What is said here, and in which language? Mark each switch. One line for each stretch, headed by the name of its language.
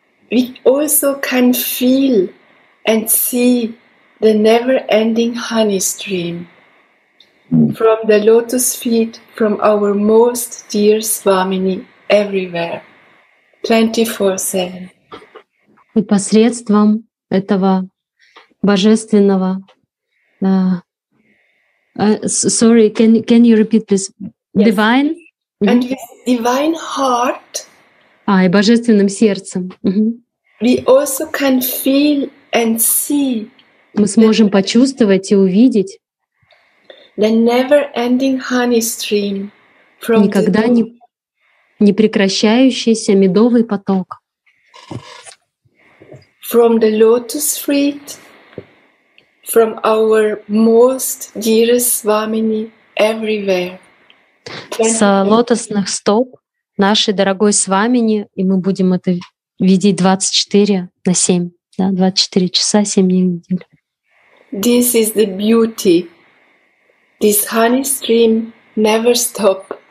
English: we also can feel and see the never-ending honey stream from the lotus feet from our most dear Swamini everywhere, 24/7.
Russian: И посредством этого божественного...
English: sorry, can you repeat this? Yes. Divine? Mm-hmm. And with divine heart...
Russian: А, и божественным сердцем. Mm-hmm.
English: We also can feel and see...
Russian: Мы сможем почувствовать и увидеть...
English: The never-ending honey stream from
Russian: никогда
English: the...
Russian: не прекращающийся медовый поток.
English: From the lotus feet, from our most dearest Swamini everywhere.
Russian: С лотосных стоп нашей дорогой Свамини, и мы будем это видеть 24/7, да, 24 часа, 7 недель.
English: This is the beauty. This honey stream never stop.